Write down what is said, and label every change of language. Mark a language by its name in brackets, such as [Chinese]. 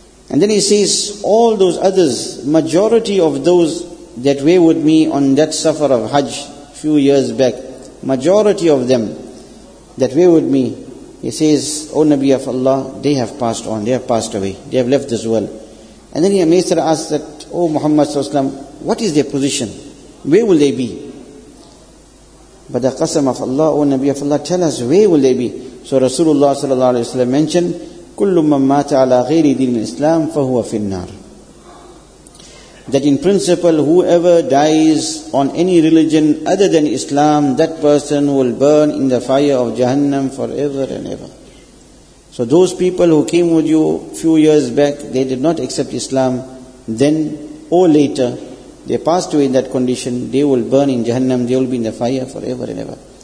[English] And then he says, all those others, majority of those that were with me on that safar of Hajj few years back, majority of them that were with me, he says, O Nabi of Allah, they have passed on, they have passed away, they have left this world. And then he Maysara asked that, O Muhammad sallallahu alaihi wasallam, what is their position? Where will they be? But the qasam of Allah, O Nabi of Allah, tell us, where will they be? So Rasulullah sallallahu alaihi wasallam mentioned, [Arabic] كُلُّ مَنْ مَاتَ عَلَىٰ غَيْرِ دِينِ الْإِسْلَامِ فَهُوَ فِي النَّارِ. [English] That in principle, whoever dies on any religion other than Islam, that person will burn in the fire of Jahannam forever and ever. So those people who came with you few years back, they did not accept Islam, then or later, they passed away in that condition, they will burn in Jahannam, they will be in the fire forever and ever.